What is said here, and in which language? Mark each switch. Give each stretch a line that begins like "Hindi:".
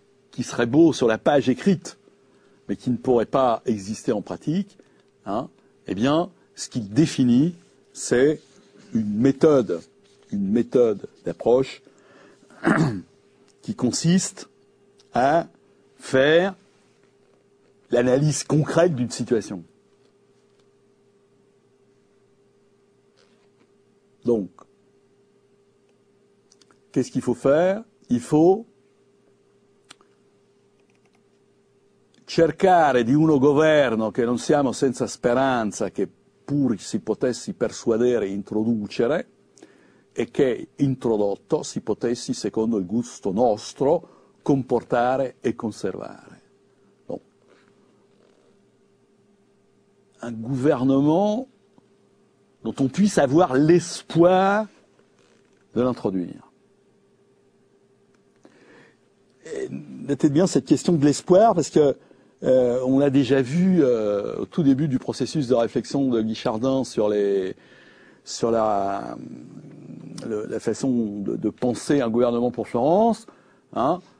French: qui serait beau sur la page écrite, mais qui ne pourrait pas exister en pratique, hein, eh bien, ce qu'il définit, c'est une méthode d'approche qui consiste à faire l'analyse concrète d'une situation. Donc, qu'est-ce qu'il faut faire ? Il faut
Italian: cercare di uno governo che non siamo senza speranza, che pur si potessi persuadere introducere, e che introdotto si potessi, secondo il gusto nostro, comportare e conservare. No.
French: Un gouvernement dont on puisse avoir l'espoir de l'introduire. Notez bien cette question de l'espoir, parce que on l'a déjà vu au tout début du processus de réflexion de Guichardin sur la façon de penser un gouvernement pour Florence. Hein.